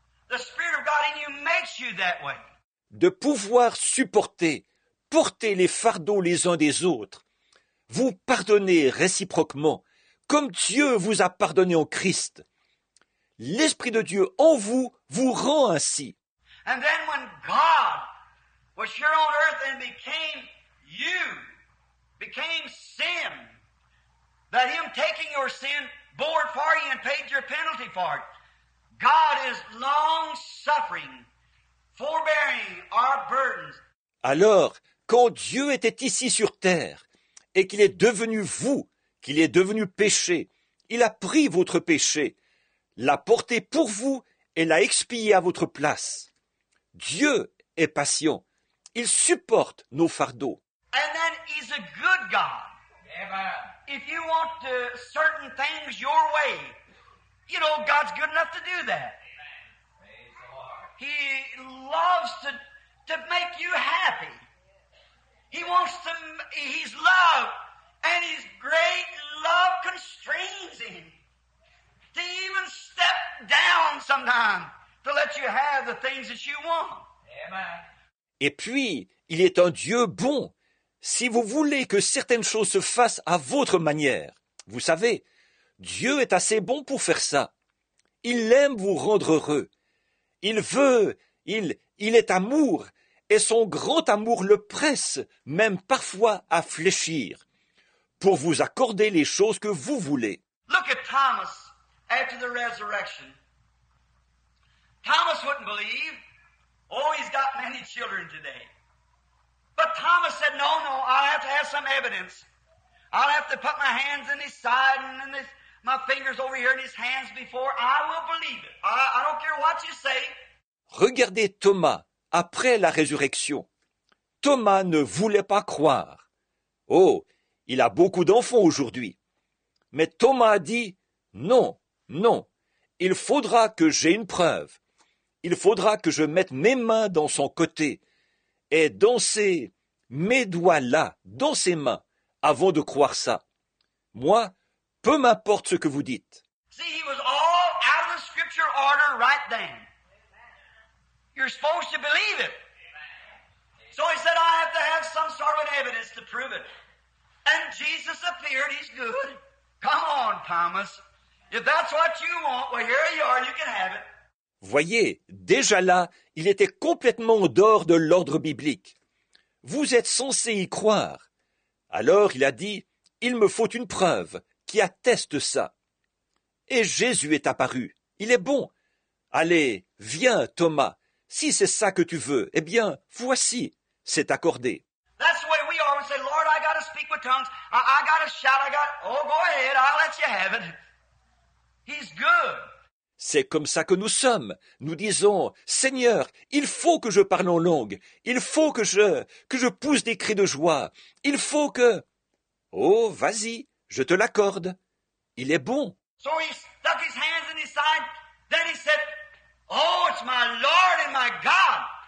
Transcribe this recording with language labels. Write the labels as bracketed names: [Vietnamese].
[English] The Spirit of God in you makes you that way. [French] De pouvoir supporter, porter les fardeaux les uns des autres, vous pardonner réciproquement, comme Dieu vous a pardonné en Christ. L'Esprit de Dieu en vous vous rend ainsi. [English] And then when God was here on earth and became you, became sin, that him taking your sin bore for you and paid your penalty for it, God is long suffering, forbearing our burdens. [French] Alors, quand Dieu était ici sur terre, et qu'il est devenu vous, qu'il est devenu péché, il a pris votre péché, l'a porté pour vous et l'a expié à votre place. Dieu est patient. Il supporte nos fardeaux. [English] And then he's a good God. Amen. If you want to certain things your way, you know, God's good enough to do that. He loves to make you happy. He's love, and his great love constrains him to even step down sometimes to let you have the things that you want. Amen. [French] Et puis, il est un Dieu bon. Si vous voulez que certaines choses se fassent à votre manière, vous savez, Dieu est assez bon pour faire ça. Il aime vous rendre heureux. Il est amour, et son grand amour le presse, même parfois, à fléchir, pour vous accorder les choses que vous voulez. [English] Look at Thomas after the resurrection. Thomas wouldn't believe. Oh, he's got many children today. But Thomas said, no, no, I'll have to have some evidence. I'll have to put my hands in his side and in his, my fingers over here in his hands before I will believe it. I don't care what you say. [French] Regardez Thomas après la résurrection. Thomas ne voulait pas croire. Oh, il a beaucoup d'enfants aujourd'hui. Mais Thomas a dit, non, non, il faudra que j'aie une preuve. Il faudra que je mette mes mains dans son côté et dans ses, mes doigts là, dans ses mains, avant de croire ça. Moi, peu m'importe ce que vous dites. [English] See, he was all out of the scripture order right then. You're supposed to believe it. So he said, I have to have some sort of evidence to prove it. And Jesus appeared, he's good. Come on, Thomas. If that's what you want, well, here you are, you can have it. [French] Voyez, déjà là, il était complètement en dehors de l'ordre biblique. Vous êtes censé y croire. Alors il a dit, il me faut une preuve qui atteste ça. Et Jésus est apparu. Il est bon. Allez, viens, Thomas. Si c'est ça que tu veux, eh bien, voici, c'est accordé. [English] That's the way we are. We say, Lord, I gotta speak with tongues. I gotta shout. I got. Oh, go ahead. I'll let you have it. He's good. [French] C'est comme ça que nous sommes. Nous disons, Seigneur, il faut que je parle en langue. Il faut que je pousse des cris de joie. Il faut que. Oh, vas-y, je te l'accorde. Il est bon. [English] So he stuck his hands in his side. Then he said, oh, it's my Lord and my God.